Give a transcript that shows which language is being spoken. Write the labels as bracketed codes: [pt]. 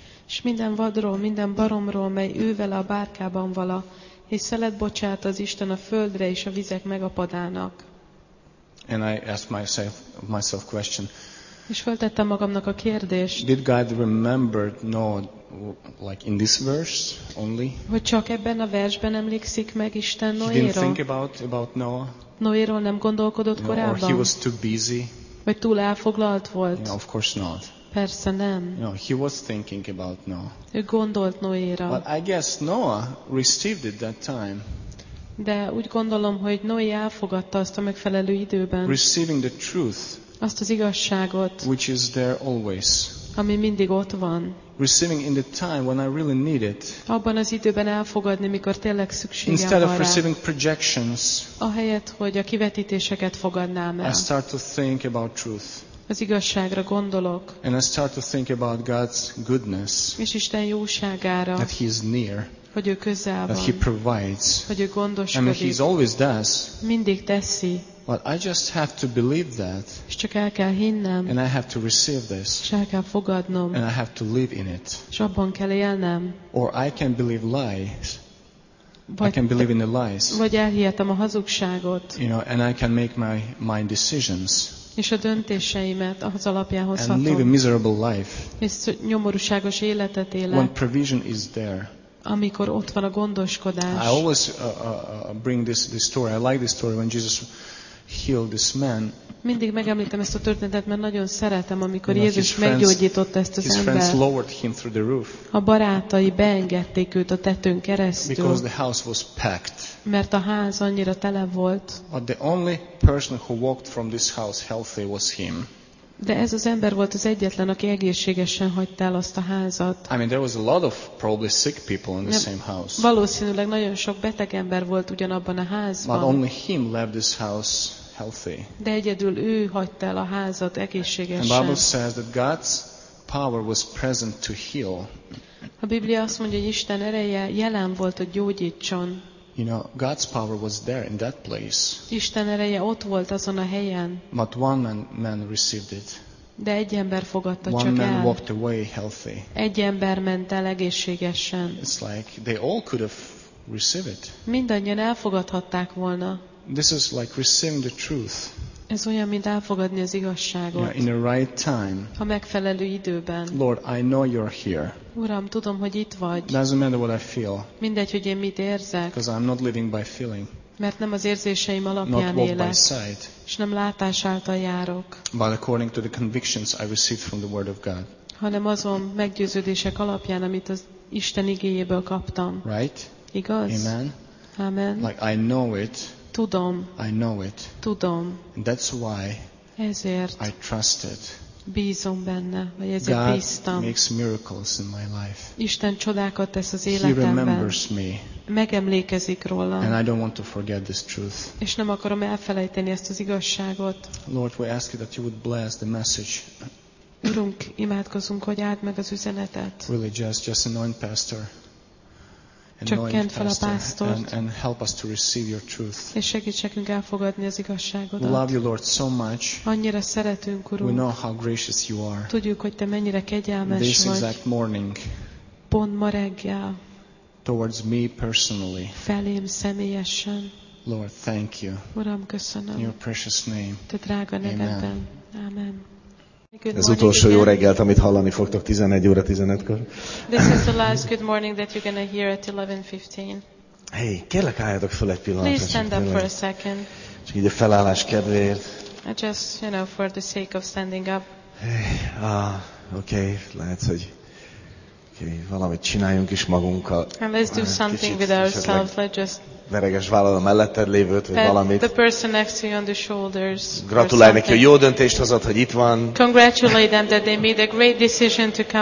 [hu] És minden vadról, minden baromról, mely ő vele a bárkában vala, és szelet bocsát az Isten a földre és a vizek megapadának. [en] And I asked myself question. [hu] És feltettem magamnak a kérdést. [en] Did God remember Noah like in this verse only? [hu] Hogy csak ebben a versben emlékszik meg Isten Noéra? [en] He didn't think about Noah. [hu] Noéról nem gondolkodott korábban? [en] Or he was too busy. [hu] Vagy túl elfoglalt volt? [en] No, of course not. [hu] Persze nem. [en] No, he was thinking about Noah. [hu] Ő gondolt Noéra. [en] But I guess Noah received it that time. [hu] De úgy gondolom, hogy Noé elfogadta azt a megfelelő időben. [en] Receiving the truth. [hu] Azt az igazságot. [en] Which is there always. [hu] Ami mindig ott van. [en] Receiving in the time when I really need it. [hu] Abban az időben elfogadni, mikor tényleg szükségem van rá. [en] Instead of receiving projections. [hu] Ahelyett, hogy a kivetítéseket fogadnám el. [en] I start to think about truth. [hu] Az igazságra gondolok. [en] And I start to think about God's goodness. [hu] És Isten jóságára. [en] That he is near. [hu] Hogy ő közel van. [en] That he provides. [hu] Hogy ő gondoskodik. [en] I mean, he's always does. [hu] Mindig teszi. [en] But I just have to believe that. [hu] És csak el kell hinnem. [en] And I have to receive this. [hu] És el kell fogadnom. [en] And I have to live in it. [hu] És abban kell élnem. [en] Or I can believe lies. I can believe in the lies. [hu] Vagy elhihetem a hazugságot. [en] You know, and I can make my decisions. [hu] És a döntéseimet az alapján hozhatom. [en] And live a miserable life. [hu] És nyomorúságos életet élek. [en] When provision is there. [hu] Amikor ott van a gondoskodás. [en] I always bring this story. I like this story when Jesus healed this man. [hu] Mindig megemlítem ezt a történetet, mert nagyon szeretem, amikor Jézus meggyógyított ezt az embert. [en] His friends lowered him through the roof. [hu] A barátai beengedték őt a tetőn keresztül. [en] Because the house was packed. [hu] Mert a ház annyira tele volt. [en] But the only person who walked from this house healthy was him. [hu] De ez az ember volt az egyetlen, aki egészségesen hagyta el azt a házat. [en] I mean, there was a lot of probably sick people in the same house. [hu] Valószínűleg nagyon sok beteg ember volt ugyanabban a házban. [en] But only him left this house healthy. [hu] De egyedül ő hagyta el a házat egészségesen. [en] And Bible says that God's power was present to heal. [hu] A Biblia azt mondja, hogy Isten ereje jelen volt, hogy gyógyítson. [en] You know, God's power was there in that place. [hu] Isten ereje ott volt azon a helyen. [en] But one man received it. [hu] De egy ember fogadta [en] one [hu] csak [en] man [hu] el. [en] Walked away healthy. [hu] Egy ember ment el egészségesen. [en] It's like they all could have received it. [hu] Mindannyian elfogadhatták volna. [en] This is like receiving the truth. [hu] Ez olyan, mint elfogadni az igazságot. [en] Yeah, in the right time. [hu] A megfelelő időben. [en] Lord, I know you're here. [hu] Uram, tudom, hogy itt vagy. [en] Doesn't matter what I feel. [hu] Mindegy, hogy én mit érzek. [en] Because I'm not living by feeling. [hu] Mert nem az érzéseim alapján élek, és nem látás által járok, [en] but according to the convictions I received from the word of God. [hu] Hanem azon meggyőződések alapján, amit az Isten igéjéből kaptam. [en] Right? [hu] Igaz? [en] Amen. [hu] Amen. [en] Like I know it. [hu] Tudom. [en] I know it. [hu] Tudom. [en] And that's why. [hu] Ezért. [en] I trust it. [hu] Bízom benne, vagy ezért bíztam. [en] God makes miracles in my life. [hu] Isten csodákat tesz az életemben. [en] He remembers me. [hu] Megemlékezik rólam. [en] And I don't want to forget this truth. [hu] És nem akarom elfelejteni ezt az igazságot. [en] Lord, we ask you that you would bless the message. [hu] Urunk, imádkozunk, hogy áld meg az üzenetet. [en] Really, just anoint pastor. [hu] Csökkent fel a pásztort. [en] And help us to receive your truth. [hu] És segítsünk elfogadni az igazságodat. [en] We love you, Lord, so much. [hu] Annyira szeretünk, Urunk. [en] We know how gracious you are. [hu] Tudjuk, hogy te mennyire kegyelmes vagy. [en] This exact morning. [hu] Pont ma reggel. [en] Towards me personally. [hu] Felém személyesen. [en] Lord, thank you. [hu] Uram, köszönöm. [en] In your precious name. [hu] Te drága nevedben. Amen. Ez utolsó jó reggelt, amit hallani fogtok 11 óra 15-kor. [en] This is the last good morning that you're going to hear at 11:15. [hu] Hey, kérlek álljatok fel egy pillanatra. [en] Please stand up for a second. [hu] Csak így a felállás kedvéért. [en] Just, you know, for the sake of standing up. [hu] Hey, okay, lehet, hogy okay, valamit csináljunk is magunkkal. [en] And let's do something with ourselves. Let's just [hu] vereges vállal a melletted lévőt, vagy valamit. [en] The person next to you on the shoulders. [hu] Gratulálj neki, hogy jó döntést hozott, hogy itt van. [en] Congratulate them that they made a great decision to come